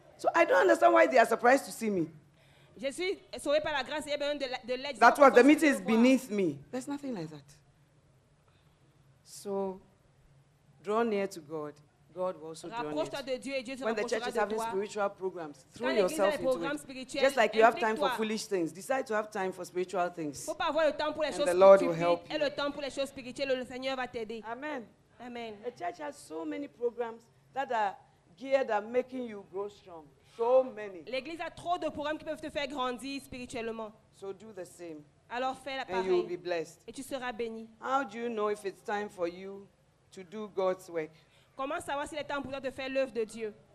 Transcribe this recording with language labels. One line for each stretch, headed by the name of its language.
English: So I don't understand why they are surprised to see me.
French: Je suis sauvé par la grâce et besoin de l'aide.
English: That's what the meeting is beneath me. There's nothing like that. So, draw near to God. God will also join you. When the church is having
French: toi,
English: spiritual programs, throw
French: quand
English: yourself into it. Just like you have time for foolish things, decide to have time for spiritual things.
French: Faut pas avoir le temps pour les
English: and the Lord will help
French: et le temps pour les choses spirituelles, le Seigneur va t'aider.
English: Amen.
French: Amen.
English: The church has so many programs that are geared at making you grow strong. So many.
French: L'église a trop de programmes qui peuvent te faire grandir spirituellement.
English: So do the same.
French: Alors fais la
English: pareille. And you will be blessed.
French: Et tu seras béni.
English: How do you know if it's time for you to do God's work?
French: Comment savoir s'il est temps pour toi de faire l'œuvre de Dieu?